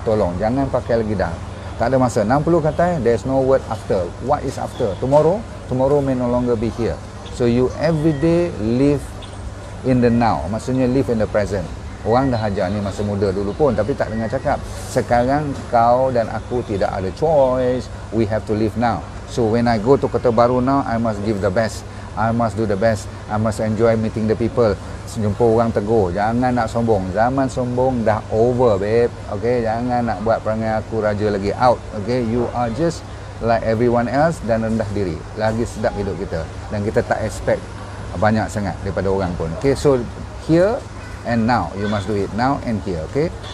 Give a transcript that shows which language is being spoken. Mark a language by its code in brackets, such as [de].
[ms] Tolong jangan pakai lagi dah, tak ada masa. 60 kata, [en] there's no word after. What is after? Tomorrow may no longer be here. So you everyday live in the now, [ms] maksudnya [en] live in the present. [ms] Orang dah ajar ni masa muda dulu pun, tapi tak dengar cakap. Sekarang kau dan aku tidak ada choice. [en] We have to live now. So when I go to Kota Baru now, I must give the best. I must do the best. I must enjoy meeting the people. [ms] Jumpa orang tegur. Jangan nak sombong. Zaman sombong dah [en] over, babe. [ms] Okay, jangan nak buat perangai aku raja lagi. Out. [en] Okay, you are just like everyone else [ms] dan rendah diri. Lagi sedap hidup kita. Dan kita tak expect banyak sangat daripada orang pun. [en] Okay, so here and now, you must do it now and here, okay?